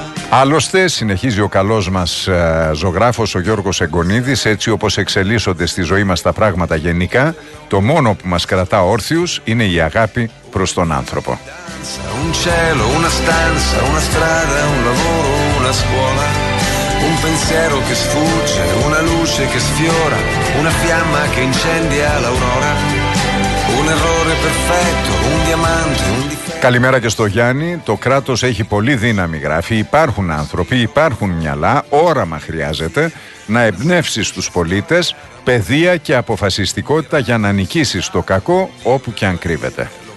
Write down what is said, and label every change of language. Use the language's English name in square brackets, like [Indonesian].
[Greek] Άλλωστε, συνεχίζει ο καλός μας ζωγράφος, ο Γιώργος Εγκονίδης, έτσι όπως εξελίσσονται στη ζωή μας τα πράγματα γενικά, το μόνο που μας κρατά όρθιους είναι η αγάπη προς τον άνθρωπο. [Italian] Un cielo, una stanza, una strada, un lavoro, una scuola. Un pensiero che sfugge, una luce che sfiora, una fiamma che incendia l'aurora. Un errore perfetto, un diamante, un difetto. [Greek] Καλημέρα και στο Γιάννη. Το κράτος έχει πολύ δύναμη, γράφει. Υπάρχουν άνθρωποι, υπάρχουν μυαλά, όραμα χρειάζεται να εμπνεύσεις τους πολίτες, παιδεία και αποφασιστικότητα για να νικήσεις το κακό όπου και αν κρύβεται.